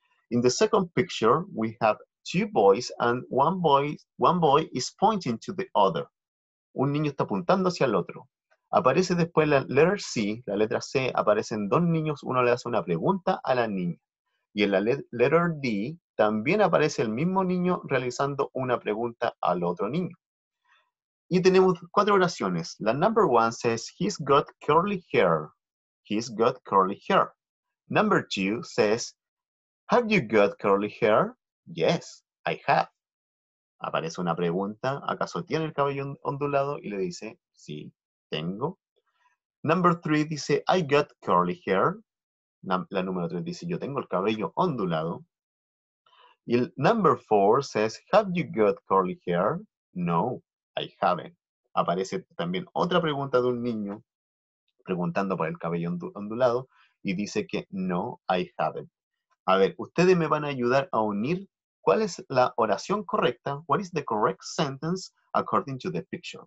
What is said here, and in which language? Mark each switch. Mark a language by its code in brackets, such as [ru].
[en] In the second picture we have two boys and one boy is pointing to the other. [es] Un niño está apuntando hacia el otro. Aparece después la letra C, aparecen dos niños, uno le hace una pregunta a la niña. Y en la letter D también aparece el mismo niño realizando una pregunta al otro niño. Y tenemos cuatro oraciones. La [en] number one says, he's got curly hair. He's got curly hair. Number two says, have you got curly hair? Yes, I have. [es] Aparece una pregunta, ¿acaso tiene el cabello ondulado? Y le dice, sí, tengo. [en] Number three [es] dice, [en] I got curly hair. [es] La número 3 dice, yo tengo el cabello ondulado. Y el [en] number 4 says, have you got curly hair? No, I haven't. [es] Aparece también otra pregunta de un niño preguntando por el cabello ondulado y dice que no, [en] I haven't. [es] A ver, ustedes me van a ayudar a unir cuál es la oración correcta, [en] what is the correct sentence according to the picture.